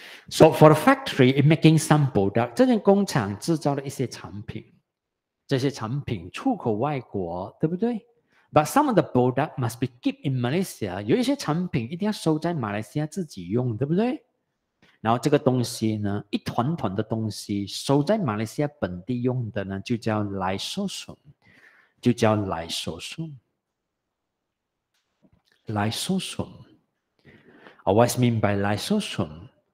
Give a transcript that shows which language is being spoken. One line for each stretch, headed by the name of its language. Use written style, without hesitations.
English: So for the factory, it making some product.
Chinese: 这间工厂制造了一些产品，这些产品出口外国，对不对？
English: But some of the product must be kept in Malaysia.
Chinese: 有一些产品一定要收在马来西亚自己用，对不对？然后这个东西呢，一团团的东西收在马来西亚本地用的呢，就叫 lysosome， 就叫 lysosome。
English: Lysosome. What's mean by lysosome?